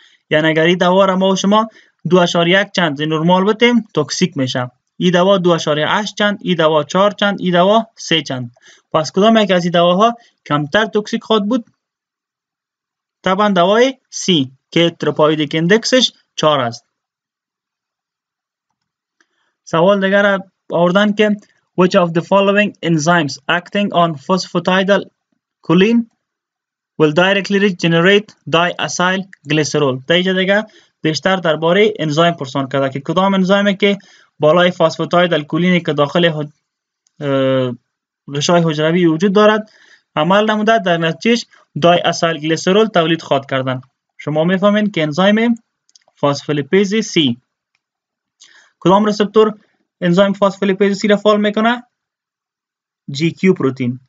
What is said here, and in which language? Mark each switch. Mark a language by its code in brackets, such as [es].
[fa] یعنی اگر این دوا را ما و شما 2.1 چند نرمال بتیم توکسیک میشه، این دوا 2.8 چند، این دوا 4 چند، این دوا 3 چند. پس کدام یک از این دواها کمتر توکسیک خواهد بود؟ طبعا دوای سی که تروپایدیک اندکسش 4 است. سوال دیگر آوردن که [en] Which of the following enzymes acting on phosphatidylcholine will directly regenerate diacyl glycerol. [fa] دیگه دیگر بیشتر درباره انزایم پرسان کرده که کدام انزایمی که بالای فسفاتیدیلکولینی که داخل غشای حجروی وجود دارد عمل نموده در نتیجه دایاسایل گلیسرول تولید خواهد کردن. شما میفهمین که انزایم فسفولیپیز سی کدام رسپتور انزایم فسفولیپیز سی را فعال میکنه؟ جی کیو پروتین.